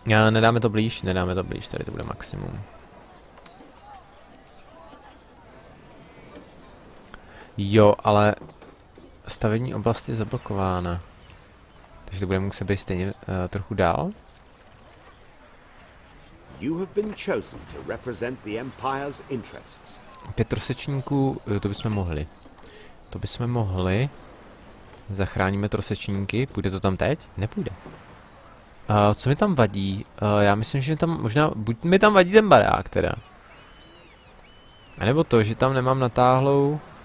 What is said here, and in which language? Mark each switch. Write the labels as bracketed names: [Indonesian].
[Czech] Nedáme to blíž, tady to bude maximum. Jo, ale stavební oblast je zablokována. Takže to bude muset být stejně trochu dál. [English] You have been chosen to represent the empire's interests. [Czech] 5 trosečníků, to bychom mohli. Zachráníme trosečníky, půjde to tam teď? Nepůjde. Co mi tam vadí? Já myslím, že tam možná, buď mi tam vadí ten barák teda. A nebo to, že tam nemám natáhlou.